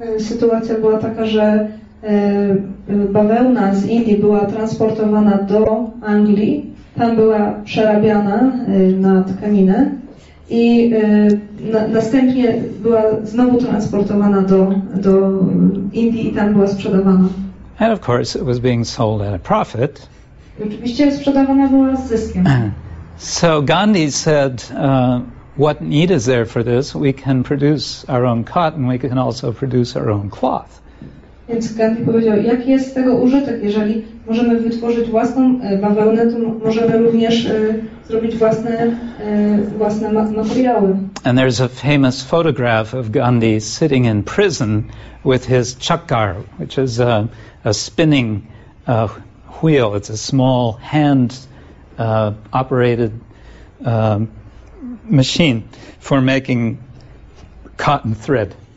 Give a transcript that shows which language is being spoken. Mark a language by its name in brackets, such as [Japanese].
[Polish] Sytuacja była taka, że bawełna z Indii była transportowana do Anglii, tam była przerabiana na tkaninę, i następnie była znowu transportowana do Indii, i tam była sprzedawana. [English] And of course it was being sold at a profit. [Polish] Oczywiście sprzedawana była z zyskiem. [English] So Gandhi said, what need is there for this? We can produce our own cotton, we can also produce our own cloth. [Polish] Więc Gandhi powiedział, jaki jest z tego użytek, jeżeli możemy wytworzyć własną bawełnę, to możemy również zrobić własne materiały. [English] And there's a famous photograph of Gandhi sitting in prison with his chakkar, which is a spinning wheel. It's a small hand operated machine for making cotton thread.